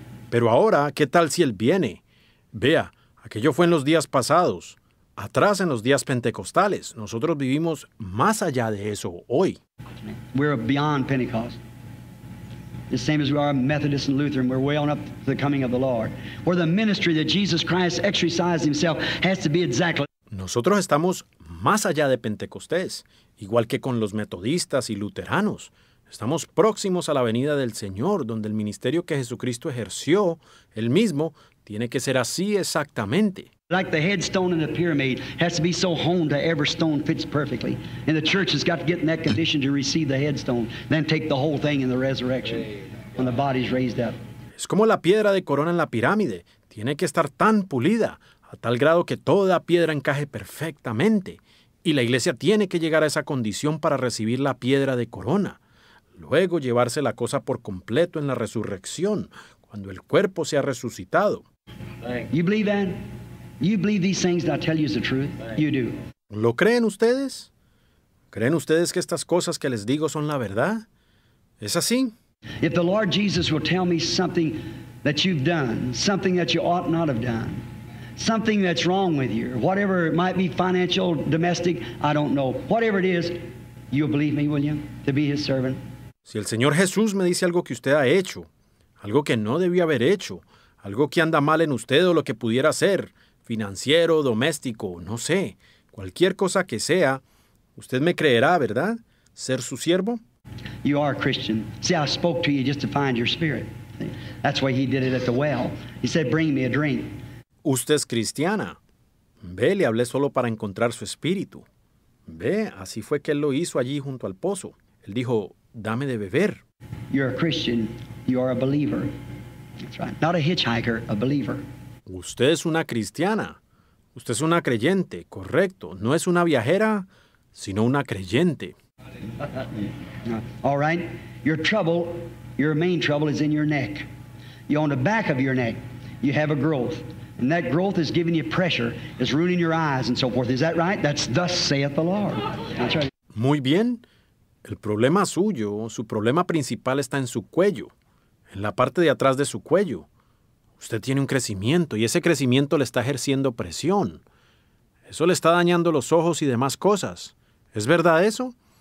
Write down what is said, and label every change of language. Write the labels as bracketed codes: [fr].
[es] Pero ahora, ¿qué tal si él viene? Vea, aquello fue en los días pasados. Atrás en los días pentecostales, nosotros vivimos más allá de eso hoy. [en] We're beyond Pentecost. The same as we are Methodist and Lutheran, we're way on up to the coming of the Lord. Where the ministry that Jesus Christ exercised himself has to be exactly. [es] Nosotros estamos más allá de Pentecostés, igual que con los metodistas y luteranos. Estamos próximos a la venida del Señor, donde el ministerio que Jesucristo ejerció, él mismo, tiene que ser así exactamente. [en] Like the headstone in the pyramid has to be so honed that every stone fits perfectly. And the church has got to get in that condition to receive the headstone, then take the whole thing in the resurrection when the body is raised up. [es] Es como la piedra de corona en la pirámide. Tiene que estar tan pulida, a tal grado que toda piedra encaje perfectamente. Y la iglesia tiene que llegar a esa condición para recibir la piedra de corona. Luego llevarse la cosa por completo en la resurrección, cuando el cuerpo se ha resucitado. [en] You believe that? You believe these things that I tell you is the truth? You do. [es] ¿Lo creen ustedes? ¿Creen ustedes que estas cosas que les digo son la verdad? ¿Es así? [en] If the Lord Jesus will tell me something that you've done, something that you ought not have done, something that's wrong with you, whatever it might be, financial, domestic, I don't know. Whatever it is, you'll believe me, will you, to be his servant? [es] Si el Señor Jesús me dice algo que usted ha hecho, algo que no debió haber hecho, algo que anda mal en usted o lo que pudiera ser, financiero, doméstico, no sé, cualquier cosa que sea, usted me creerá, ¿verdad? ¿Ser su siervo? [en] You are a Christian. See, I spoke to you just to find your spirit. That's why he did it at the well. He said, bring me a drink. [es] Usted es cristiana. Ve, le hablé solo para encontrar su espíritu. Ve, así fue que él lo hizo allí junto al pozo. Él dijo, dame de beber. [en] You're a Christian. You are a believer. That's right. Not a hitchhiker, a believer. [es] Usted es una cristiana. Usted es una creyente, correcto. No es una viajera, sino una creyente. [en] All right. Your trouble, your main trouble is in your neck. You on the back of your neck, you have a growth. And that growth is giving you pressure, is ruining your eyes and so forth. Is that right? That's thus saith the Lord. That's right. [es] Muy bien. El problema suyo, su problema principal está en su cuello, en la parte de atrás de su cuello. Usted tiene un crecimiento y ese crecimiento le está ejerciendo presión. Eso le está dañando los ojos y demás cosas. ¿Es verdad eso?